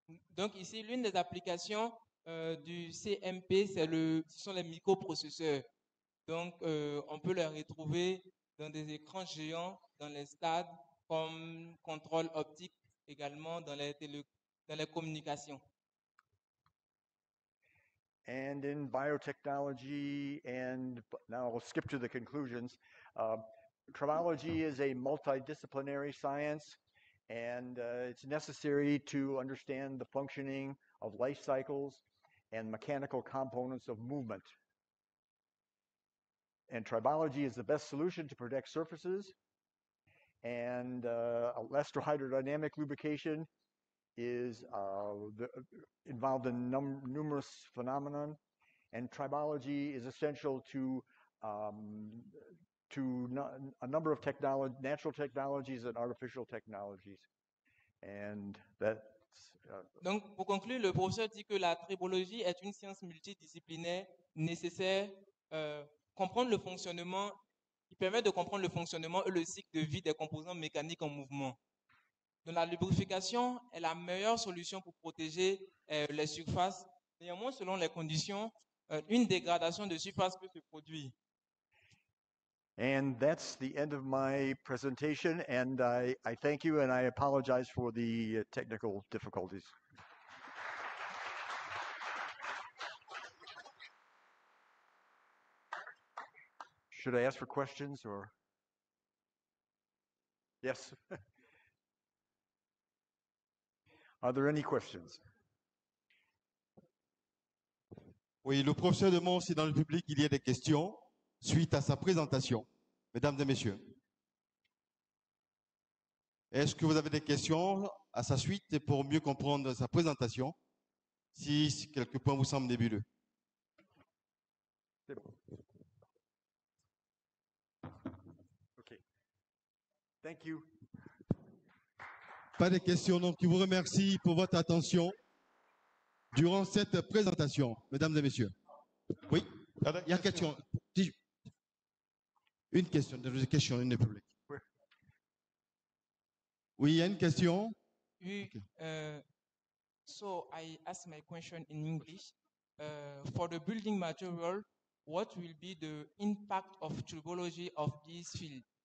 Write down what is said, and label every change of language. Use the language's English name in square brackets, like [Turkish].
[French] Donc ici, l'une des applications du CMP, ce sont les microprocesseurs. Donc, on peut les retrouver dans des écrans géants, dans les stades, comme contrôle optique également, dans les communications. [English] And in biotechnology, and now we'll skip to the conclusions, tribology is a multidisciplinary science, and it's necessary to understand the functioning of life cycles and mechanical components of movement. And tribology is the best solution to protect surfaces, and electrohydrodynamic lubrication is involved in numerous phenomena, and tribology is essential to a number of natural technologies and artificial technologies. And that's... [French] Donc, pour conclure, le professeur dit que la tribologie est une science multidisciplinaire nécessaire comprendre le fonctionnement, qui permet de comprendre le fonctionnement et le cycle de vie des composants mécaniques en mouvement. Donc, la lubrification est la meilleure solution pour protéger les surfaces. Néanmoins, selon les conditions, une dégradation de surface peut se produire. [English] And that's the end of my presentation, and I thank you, and I apologize for the technical difficulties. Should I ask for questions, or? Yes. Are there any questions? [French] Oui, le professeur demande si dans le public il y a des questions suite à sa présentation. Mesdames et messieurs, est-ce que vous avez des questions à sa suite pour mieux comprendre sa présentation, si quelques points vous semblent nébuleux? C'est bon. OK. [English] Thank you. [French] Pas de questions, donc je vous remercie pour votre attention durant cette présentation, mesdames et messieurs. Oui, il y a une question. Une question, [English] there is a question in the public. [French] Oui, il y a une question. [English] Oui, so I ask my question in English. For the building material, what will be the impact of tribology of this field?